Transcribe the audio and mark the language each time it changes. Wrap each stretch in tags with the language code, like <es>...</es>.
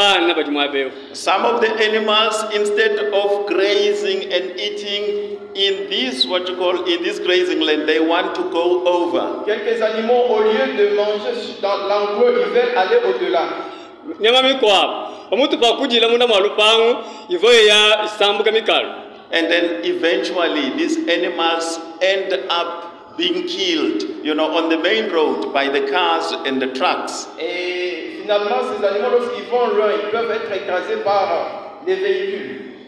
<en>Some of the animals, instead of grazing and eating in this, what you call, in this grazing land, they want to go over.</en> <fr>Quelques animaux, au lieu de manger dans l'enclos, ils veulent aller au-delà.</fr> <en>And then eventually these animals end up being killed, you know, on the main road by the cars and the trucks.</en> <fr>Et finalement, ces animaux, lorsqu'ils vont loin, ils peuvent être écrasés par les véhicules.</fr>